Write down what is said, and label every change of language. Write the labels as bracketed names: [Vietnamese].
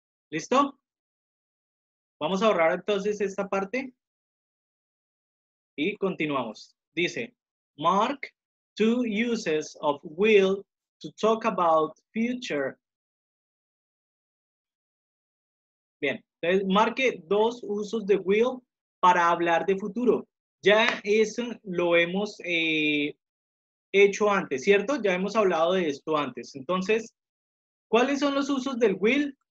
[Spanish] ¿Listo? Vamos a borrar entonces esta parte y continuamos. Dice, [English] mark two uses of will to talk about future. [Spanish] Bien, entonces marque dos usos de will para hablar de futuro. Ya eso lo hemos hecho antes, ¿cierto? Ya hemos hablado de esto antes. Entonces, ¿cuáles son los usos del will?